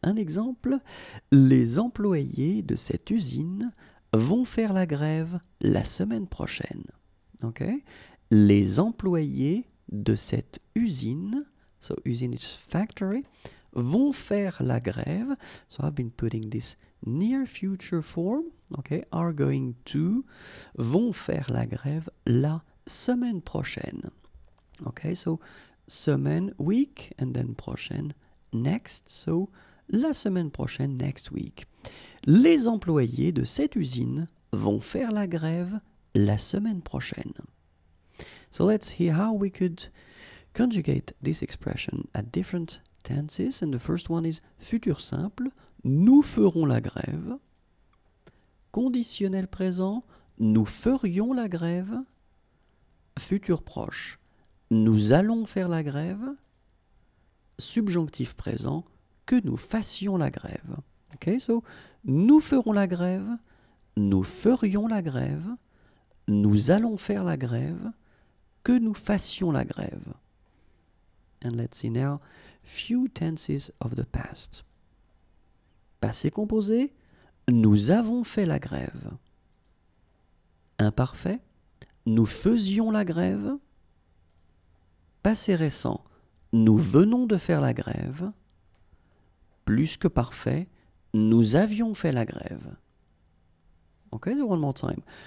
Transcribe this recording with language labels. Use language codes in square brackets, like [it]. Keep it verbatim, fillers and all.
[fr] Un exemple, les employés de cette usine vont faire la grève la semaine prochaine, okay? Les employés de cette usine, [en] so usine is factory, [fr] vont faire la grève. [en] So I've been putting this near future form, okay, are going to, [fr] vont faire la grève la semaine prochaine. [en] Okay, so semaine, week, and then prochaine, next. So [fr] la semaine prochaine, [en] next week. [fr] Les employés de cette usine vont faire la grève la semaine prochaine. [en] So let's hear how we could conjugate this expression at different tenses, and the first one is futur simple, [fr] nous ferons la grève. Conditionnel présent, nous ferions la grève. Futur proche, nous allons faire la grève. Subjonctif présent, que nous fassions la grève. Okay, so nous ferons la grève, nous ferions la grève, nous allons faire la grève, que nous fassions la grève. [en] And let's see now few tenses of the past. [fr] Passé composé, nous avons fait la grève. Imparfait, nous faisions la grève. Passé récent, nous venons de faire la grève. Plus que parfait, nous avions fait la grève. [en] Okay, so one more time.